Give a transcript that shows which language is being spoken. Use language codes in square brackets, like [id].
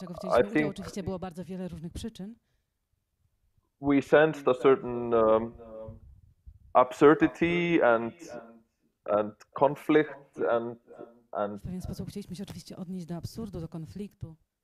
[en] I think [pl] oczywiście było bardzo wiele różnych przyczyn. [en] We sensed a certain absurdity and conflict and [pl] w pewien sposób chcieliśmy się oczywiście odnieść do absurdu, do konfliktu.